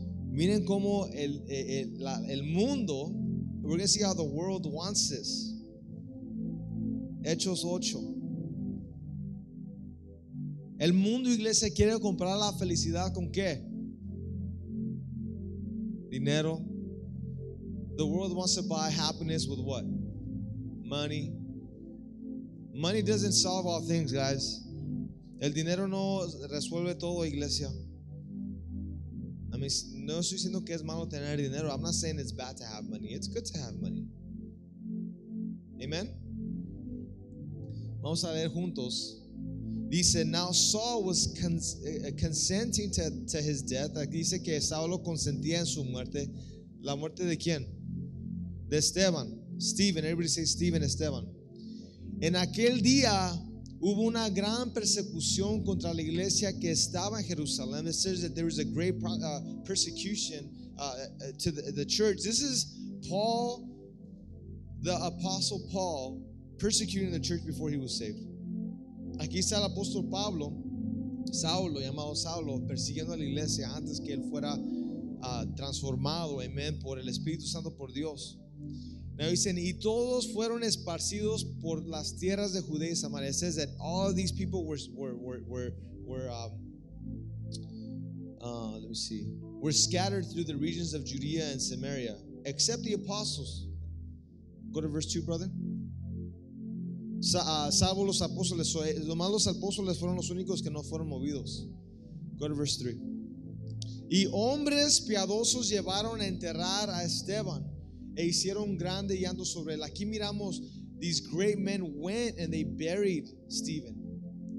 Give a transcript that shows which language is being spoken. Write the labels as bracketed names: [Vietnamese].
[Spanish] Miren cómo el mundo, [English] we're going to see how the world wants this. [Spanish] Hechos 8. El mundo, iglesia, quiere comprar la felicidad ¿con qué? Dinero. [English] The world wants to buy happiness with what? Money. Money doesn't solve all things, guys. [Spanish] El dinero no resuelve todo, iglesia. [English] I mean, [Spanish] no estoy diciendo que es malo tener dinero. [English] I'm not saying it's bad to have money. It's good to have money. Amen. [Spanish] Vamos a leer juntos. Dice, [English] now Saul was consenting to his death. [Spanish] Aquí dice que Saulo consentía en su muerte. ¿La muerte de quién? De Esteban. Stephen. [English] Everybody say Stephen, Esteban. [Spanish] En aquel día hubo una gran persecución contra la iglesia que estaba en Jerusalén. [English] It says that there was a great persecution to the church. This is Paul, the apostle Paul, persecuting the church before he was saved. [Spanish] Aquí está el apóstol Pablo, Saulo, llamado Saulo, persiguiendo a la iglesia antes que él fuera transformado, amén, por el Espíritu Santo, por Dios. Now dicen, y todos fueron esparcidos por las tierras de Judea y Samaria. [English] It says that all these people were scattered through the regions of Judea and Samaria, except the apostles. Go to verse 2, brother. [Spanish] Salvo los apóstoles, los malos apóstoles fueron los únicos que no fueron movidos. [English] Go to verse 3. [Spanish] Y hombres piadosos llevaron a enterrar a Esteban e hicieron grande llanto sobre él. Aquí miramos, [English] these great men went and they buried Stephen.